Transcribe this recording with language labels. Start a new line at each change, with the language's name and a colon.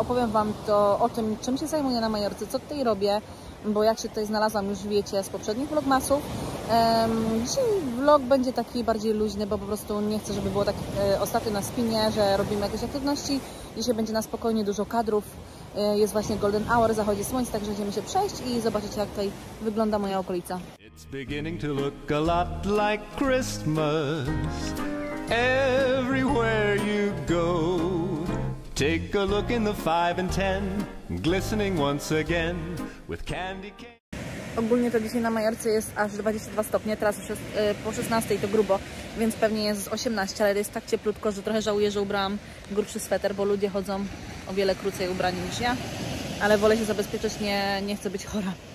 Polish: Opowiem Wam to o tym, czym się zajmuję na Majorce, co tutaj robię, bo jak się tutaj znalazłam, już wiecie, z poprzednich vlogmasów. Dzisiaj vlog będzie taki bardziej luźny, bo po prostu nie chcę, żeby było tak ostatnio na spinie, że robimy jakieś aktywności. Dzisiaj będzie na spokojnie dużo kadrów. Jest właśnie golden hour, zachodzi słońce, także idziemy się przejść i zobaczyć, jak tutaj wygląda moja okolica.
English: It's beginning to look a lot like Christmas everywhere you go. Take a look in the 5 and 10, glistening once again with candy cane.
Polish: Ogólnie to dzisiaj na Majorce jest aż 22 stopnie, teraz już jest po 16 to grubo, więc pewnie jest 18, ale jest tak cieplutko, że trochę żałuję, że ubrałam grubszy sweter, bo ludzie chodzą o wiele krócej ubrani niż ja, ale wolę się zabezpieczyć, nie chcę być chora.